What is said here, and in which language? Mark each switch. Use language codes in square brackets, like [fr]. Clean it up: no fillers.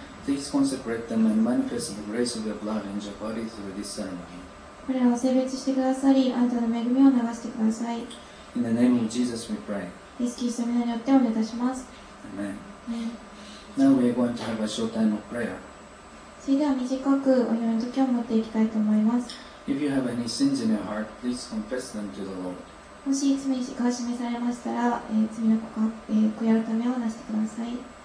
[en] Please consecrate them and manifest the grace of your blood in your body through this ceremony. [ja] これらを聖別してくださり、あなたの恵みを流してください。 [en] In the name of Jesus, we pray. [ja] イエス・キリストの名によってお願いいたします。 [en] Amen. Now we are going to have a short time of prayer. [ja] それでは短くお祈りの時を持っていきたいと思います。 [en] If you have any sins in your heart, please confess them to the Lord. [ja] もし罪が示されましたら、罪の告白、悔やむためをなしてください。